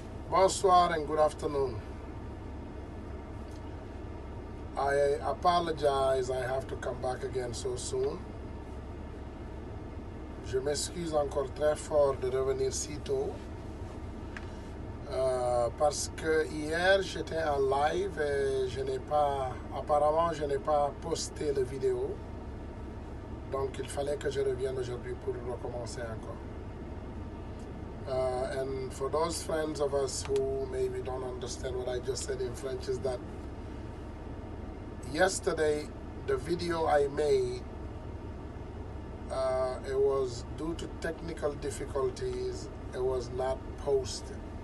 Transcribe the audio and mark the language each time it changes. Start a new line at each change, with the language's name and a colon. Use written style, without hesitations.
English: Bonsoir and good afternoon. I apologize I have to come back again so soon.
French: Je m'excuse encore très fort de revenir si tôt. Parce que hier j'étais en live et je n'ai pas, apparemment je n'ai pas posté la vidéo. Donc il fallait que je revienne aujourd'hui pour recommencer encore.
English: And for those friends of us who maybe don't understand what I just said in French is that yesterday the video I made, it was due to technical difficulties, it was not posted.